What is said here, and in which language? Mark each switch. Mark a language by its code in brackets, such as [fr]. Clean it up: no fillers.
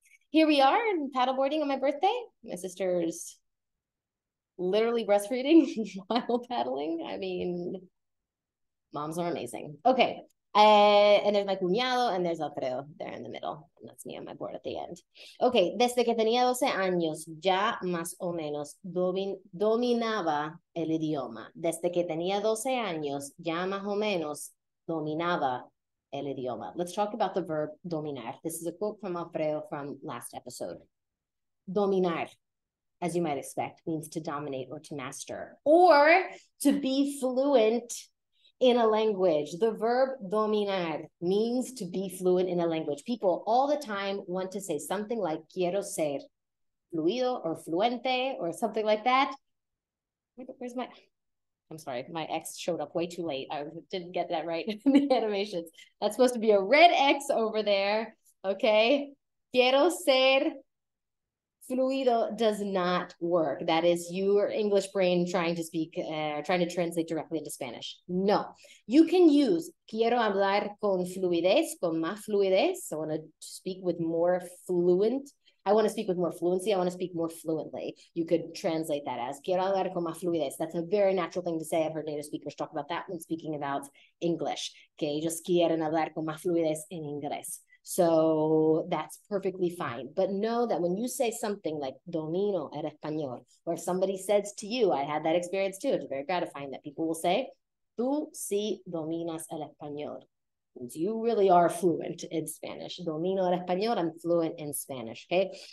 [en] Here we are in paddleboarding on my birthday. My sister's literally breastfeeding while paddling. I mean, moms are amazing. Okay. And there's my cuñado and there's Alfredo there in the middle. And that's me on my board at the end. [es] Okay, desde que tenía 12 años, ya más o menos dominaba el idioma. Desde que tenía 12 años, ya más o menos dominaba el idioma. [en] Let's talk about the verb dominar. This is a quote from Alfredo from last episode. Dominar, as you might expect, means to dominate or to master or to be fluent in a language. The verb dominar means to be fluent in a language. People all the time want to say something like quiero ser fluido or fluente or something like that. Where's my, I'm sorry, my X showed up way too late. I didn't get that right in the animations. That's supposed to be a red X over there. Okay. Quiero ser fluido does not work. That is your English brain trying to speak, trying to translate directly into Spanish. [es] No. You can use quiero hablar con más fluidez. [en] I want to speak with more fluent. I want to speak with more fluency. I want to speak more fluently. You could translate that as quiero hablar con más fluidez. That's a very natural thing to say. I've heard native speakers talk about that when speaking about English. [es] Okay, just quieren hablar con más fluidez en inglés. [en] So that's perfectly fine. But know that when you say something like domino el español, or somebody says to you, I had that experience too. It's very gratifying that people will say, tú sí dominas el español. You really are fluent in Spanish. Domino el español, I'm fluent in Spanish, okay?